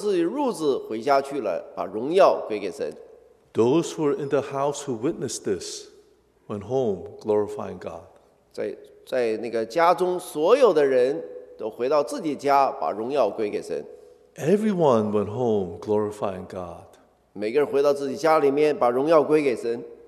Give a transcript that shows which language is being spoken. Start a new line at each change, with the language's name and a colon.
Chinese: 我们读到这些瘫子就拿着自己褥子回家去了，把荣耀归给神。
English: Those who were in the house who witnessed this went home glorifying God.
Chinese: 在那个家中，所有的人都回到自己家，把荣耀归给神。
English: Everyone went home glorifying God.
Chinese: 每个人回到自己家里面，把荣耀归给神。